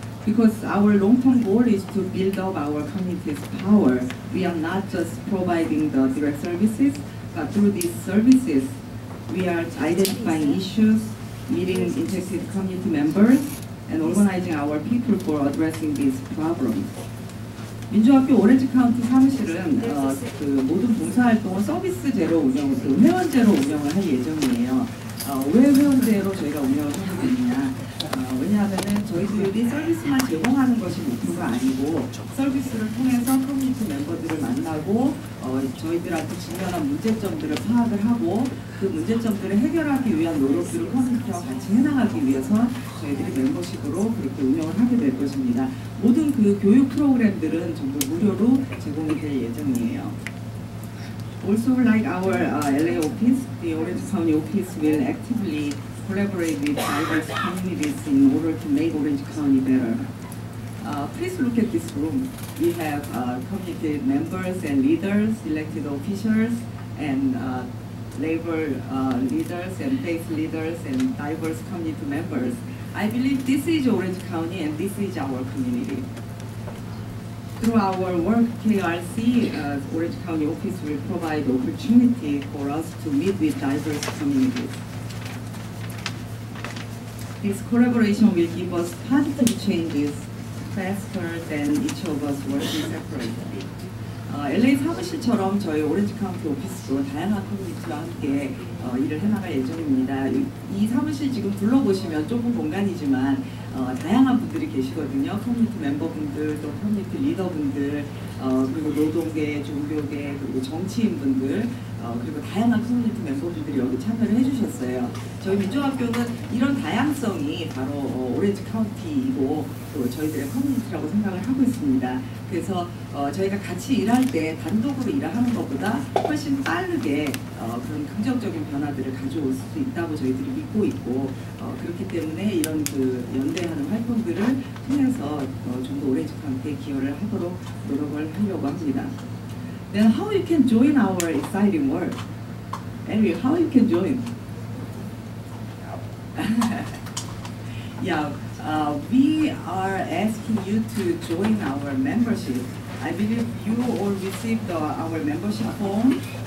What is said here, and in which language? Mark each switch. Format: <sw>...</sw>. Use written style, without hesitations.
<en>Because our long-term goal is to build up our community's power. We are not just providing the direct services, but through these services, we are identifying issues, meeting interested community members, and organizing our people for addressing these problems.</en> <ko>민주학교 오렌지 카운티 사무실은 그 모든 봉사활동을 서비스제로 운영, 그 회원제로 운영을 할 예정이에요. 왜 회원제로 저희가 운영을 하게 되느냐. 왜냐하면 저희들이 서비스만 제공하는 것이 목표가 아니고 서비스를 통해서 커뮤니티 멤버들을 만나고 저희들한테 중요한 문제점들을 파악을 하고 그 문제점들을 해결하기 위한 노력들을 커뮤니티와 같이 해나가기 위해서 저희들이 멤버십으로 그렇게 운영을 하게 될 것입니다. 모든 그 교육 프로그램들은 전부 무료로 제공이 될 예정이에요.</ko> <en>Also like our LA office, the Orange County office will actively collaborate with diverse communities in order to make Orange County better. Please look at this room. We have community members and leaders, elected officials, and labor leaders and faith leaders and diverse community members. I believe this is Orange County and this is our community. Through our work, KRC, Orange County office will provide opportunity for us to meet with diverse communities. This collaboration will give us positive changes faster than each of us working separately.</en> <ko>LA 사무실처럼 저희 오렌지 카운티 오피스도 다양한 커뮤니티와 함께 일을 해나갈 예정입니다. 이 사무실 지금 둘러보시면 좁은 공간이지만 다양한 분들이 계시거든요. 커뮤니티 멤버분들, 또 커뮤니티 리더분들, 그리고 노동계, 종교계, 그리고 정치인분들, 그리고 다양한 커뮤니티 멤버분들이 여기 참여를 해주셨어요. 저희 민주학교는 이런 다양성이 바로 오렌지 카운티이고 또 저희들의 커뮤니티라고 생각을 하고 있습니다. 그래서 저희가 같이 일할 때 단독으로 일하는 것보다 훨씬 빠르게 그런 긍정적인 변화들을 가져올 수 있다고 저희들이 믿고 있고 그렇기 때문에 이런 그 연대하는 활동들을 통해서 좀 더 오렌지 카운티에 기여를 하도록 노력을 하려고 합니다.</ko> <en>Then how you can join our exciting work? Anyway, how you can join? Yeah, we are asking you to join our membership. I believe you all received our membership form.</en>